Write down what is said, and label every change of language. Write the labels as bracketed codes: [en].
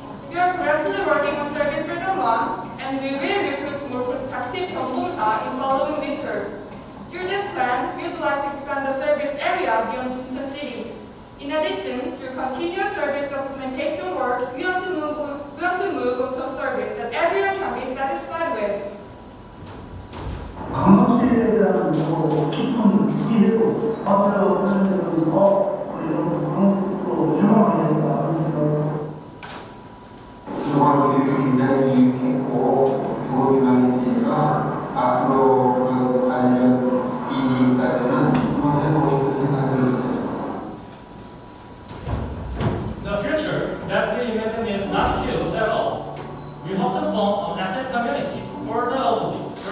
[en] We are currently working on service version 1, and we will recruit more prospective Kyeongbongsa in following winter. Through this plan, we would like to expand the service area beyond Chuncheon City. In addition, through continuous service implementation work, we want to move to a service that everyone can be satisfied with. [ko] 강아지에 대한 깊은 이해도 받으려고 하는 데 대해서 이런 부분도 유용하게 된다 하는 생각으로 그동안 우리 굉장히 유익했고 도움이 많이 되니까 앞으로 그 관련 이익까지는 한번 해보고 싶은 생각이 들었어요. [en] The future that we imagine is not huge at all. We hope to form an active community for the elderly.